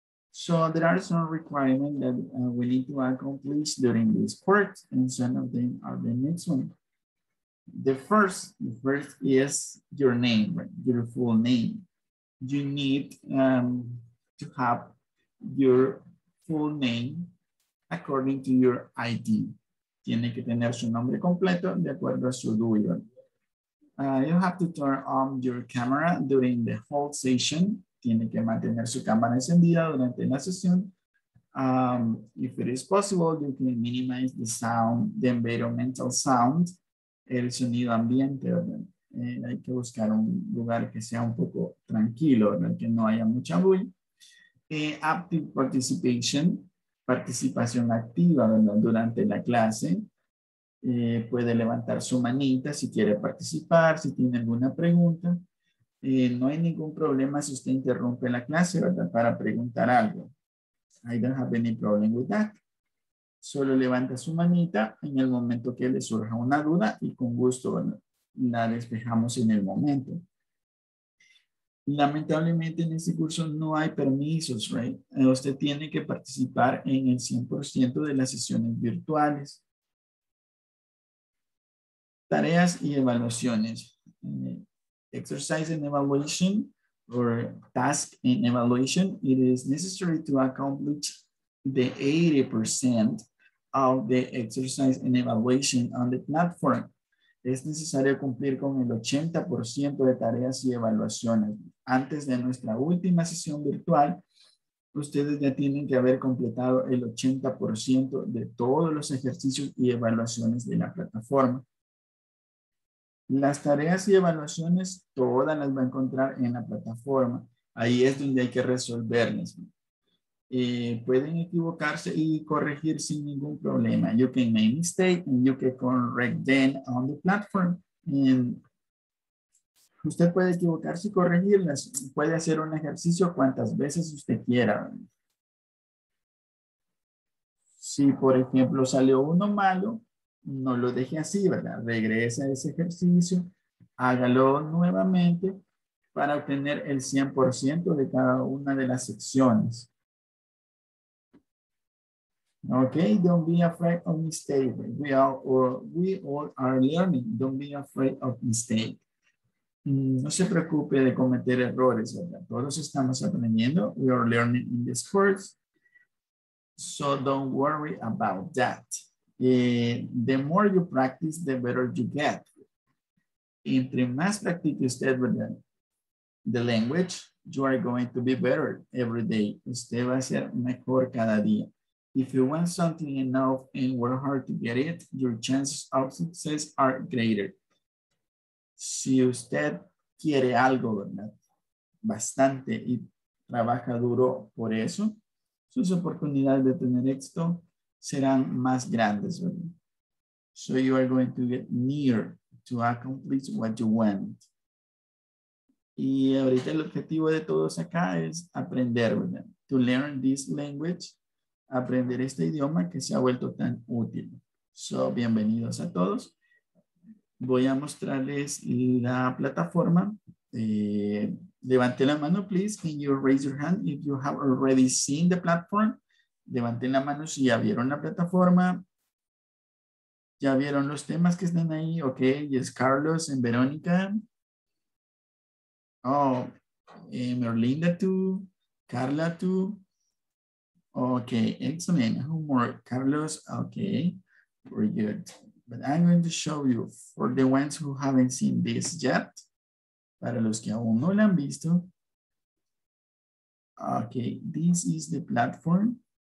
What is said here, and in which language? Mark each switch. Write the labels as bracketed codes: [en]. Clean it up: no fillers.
[en] So there are some requirements that we need to accomplish during this course, and some of them are the next one. The first is your name, right? Your full name. You need to have your full name according to your ID. [es] Tiene que tener su nombre completo de acuerdo a su DUI. [en] You have to turn on your camera during the whole session. [es] Tiene que mantener su cámara encendida durante la sesión. [en] If it is possible, you can minimize the sound, the environmental sound, [es] el sonido ambiente. Hay que buscar un lugar que sea un poco tranquilo, en el que no haya mucha bulla. [en] Active participation, [es] participación activa, ¿verdad? Durante la clase. Puede levantar su manita si quiere participar, si tiene alguna pregunta. No hay ningún problema si usted interrumpe la clase, ¿verdad? Para preguntar algo. [en] I don't have any problem with that. [es] Solo levanta su manita en el momento que le surja una duda y con gusto, ¿verdad? La despejamos en el momento. Lamentablemente en este curso no hay permisos, right? Usted tiene que participar en el 100% de las sesiones virtuales. Tareas y evaluaciones. [en] Exercise and evaluation, or task and evaluation, it is necessary to accomplish the 80% of the exercise and evaluation on the platform. [es] Es necesario cumplir con el 80% de tareas y evaluaciones. Antes de nuestra última sesión virtual, ustedes ya tienen que haber completado el 80% de todos los ejercicios y evaluaciones de la plataforma. Las tareas y evaluaciones, todas las va a encontrar en la plataforma. Ahí es donde hay que resolverlas. Pueden equivocarse y corregir sin ningún problema. You can make mistakes and you can correct them on the platform. Usted puede equivocarse y corregirlas. Puede hacer un ejercicio cuantas veces usted quiera. Si, por ejemplo, salió uno malo, no lo deje así, ¿verdad? Regresa a ese ejercicio, hágalo nuevamente para obtener el 100% de cada una de las secciones. [en] Ok, don't be afraid of mistakes. We all are learning. Don't be afraid of mistakes. [es] No se preocupe de cometer errores, ¿verdad? Todos estamos aprendiendo. [en] We are learning in this course. So don't worry about that. The more you practice, the better you get. [es] Entre más practique usted [en] with the language, you are going to be better every day. [es] Usted va a ser mejor cada día. [en] If you want something enough and work hard to get it, your chances of success are greater. [es] Si usted quiere algo, ¿verdad? Bastante y trabaja duro por eso, sus oportunidades de tener éxito serán más grandes, ¿verdad? [en] So you are going to get near to accomplish what you want. [es] Y ahorita el objetivo de todos acá es aprender, ¿verdad? [en] To learn this language, [es] aprender este idioma que se ha vuelto tan útil. So bienvenidos a todos. Voy a mostrarles la plataforma. Levanten la mano, please. [en] Can you raise your hand if you have already seen the platform? [es] Levanten la mano si ya vieron la plataforma. ¿Ya vieron los temas que están ahí? [en] Ok, yes, Carlos and Verónica. Oh, Merlinda too. Carla too. Ok, excellent. Who more? Carlos, ok. Very good. But I'm going to show you for the ones who haven't seen this yet. [es] Para los que aún no lo han visto. [en] Ok, this is the platform.